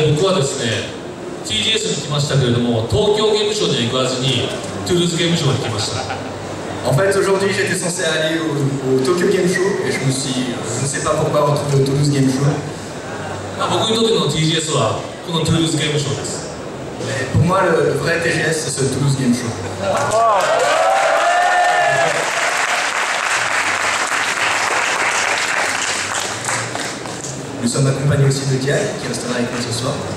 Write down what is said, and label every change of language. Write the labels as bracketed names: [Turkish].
[Japanese] TGS に来ましたけれども、東京ゲームショーには行かずに、トゥルーズゲームショーに来ました。 [French] En fait, aujourd'hui, j'étais censé aller au Tokyo Game Show, et je ne sais pas pourquoi on trouve le Toulouse Game Show. [Japanese] 僕にとっての TGS は、このトゥルーズゲームショーです。 [French] Mais pour moi, le vrai TGS, c'est ce Toulouse Game Show. Nous sommes accompagnés aussi de Diag, qui restera avec nous ce soir.